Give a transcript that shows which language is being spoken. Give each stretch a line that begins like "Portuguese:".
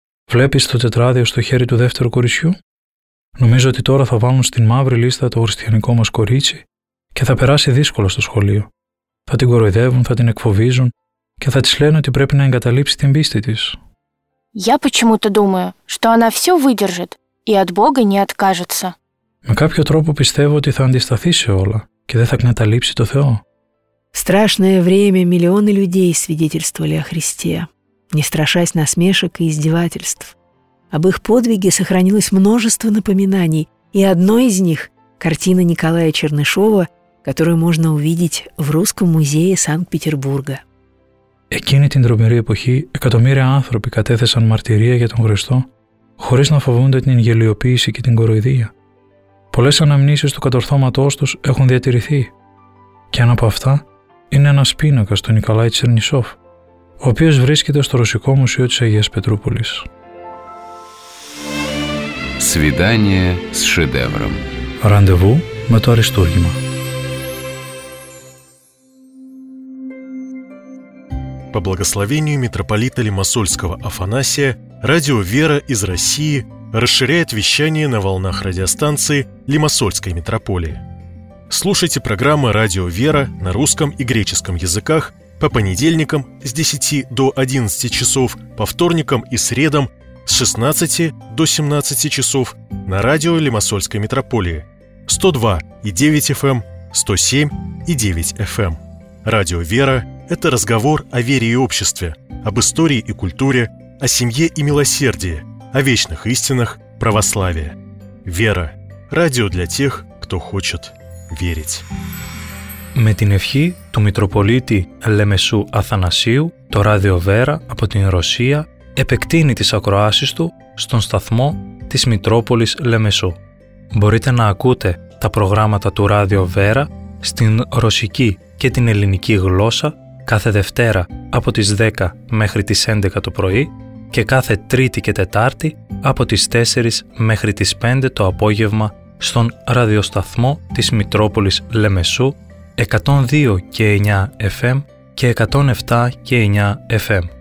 Greek: Βλέπεις το τετράδιο στο χέρι του δεύτερου κοριτσιού? Νομίζω ότι τώρα θα βάλουν στην μαύρη λίστα το χριστιανικό μας κορίτσι και θα περάσει δύσκολα στο σχολείο. Θα την κοροϊδεύουν, θα την εκφοβίζουν και θα της λένε ότι πρέπει να εγκαταλείψει την πίστη της.
Russian: Я почему-то думаю, что она все выдержит и от Бога не откажется.
Greek: Με κάποιο τρόπο πιστεύω ότι θα αντισταθεί σε όλα και δεν θα εγκαταλείψει το Θεό.
Russian: Страшное время миллионы людей свидетельствовали о Христе, не страшась насмешек и издевательств. Об их подвиге сохранилось множество напоминаний, и одно из них – картина Николая Чернышова, которую можно увидеть в Русском музее Санкт-Петербурга.
Greek: Εκείνη την τρομερή εποχή, εκατομμύρια άνθρωποι κατέθεσαν μαρτυρία για τον Χριστό, χωρίς να φοβούνται την γελιοποίηση και την κοροϊδία. Πολλές αναμνήσεις του κατορθώματός τους έχουν διατηρηθεί. Και ένα από αυτά είναι ένας πίνακας του Νικολάη Τσερνισόφ, ο οποίος βρίσκεται στο Ρωσικό Μουσείο της Αγίας Πετρούπολης.
Russian: Свидание с шедевром.
Greek: Ραντεβού με το Αριστούργημα.
Russian: По благословению митрополита Лимассольского Афанасия, радио «Вера» из России расширяет вещание на волнах радиостанции Лимассольской митрополии. Слушайте программы «Радио «Вера» на русском и греческом языках по понедельникам с 10 до 11 часов, по вторникам и средам с 16 до 17 часов на радио Лимассольской митрополии 102,9 FM, 107,9 FM. Радио «Вера» – это разговор о вере и обществе, об истории и культуре, о семье и милосердии, о вечных истинах православия. «Вера» – радио для тех, кто хочет верить.
Greek: Με την ευχή του Μητροπολίτη Λεμεσού Αθανασίου, το Ράδιο Βέρα από την Ρωσία επεκτείνει τις ακροάσεις του στον σταθμό της Μητρόπολης Λεμεσού. Μπορείτε να ακούτε τα προγράμματα του Ράδιο Βέρα στην ρωσική και την ελληνική γλώσσα κάθε Δευτέρα από τις 10 μέχρι τις 11 το πρωί και κάθε Τρίτη και Τετάρτη από τις 4 μέχρι τις 5 το απόγευμα στον ραδιοσταθμό της Μητρόπολης Λεμεσού 102 και 9 FM και 107 και 9 FM.